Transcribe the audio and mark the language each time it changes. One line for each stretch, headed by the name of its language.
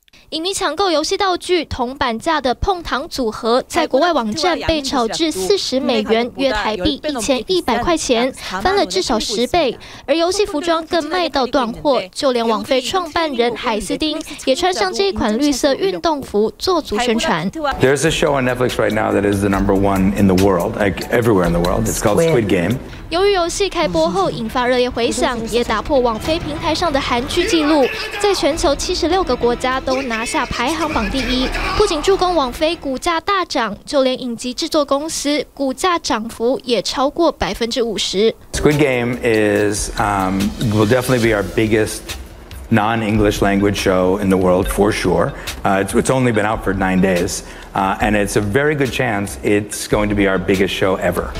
Chinese: 影迷抢购游戏道具，铜板价的碰糖组合在国外网站被炒至40美元，约台币1100块钱，翻了至少10倍。而游戏服装更卖到断货，就连王菲创办人海斯丁也穿上这一款绿色运动服做足宣传。
English: There's a show on Netflix right now that is the number one in the world, like everywhere in the world. It's called Squid Game.
Chinese: 由于游戏开播后引发热烈回响，也打破网飞平台上的韩剧纪录，在全球76个国家都拿下排行榜第一。不仅助攻网飞股价大涨，就连影集制作公司股价涨幅也超过50%。
English: Squid Game is will definitely be our biggest non-English language show in the world, for sure. It's only been out for 9 days, and it's a very good chance it's going to be our biggest show ever.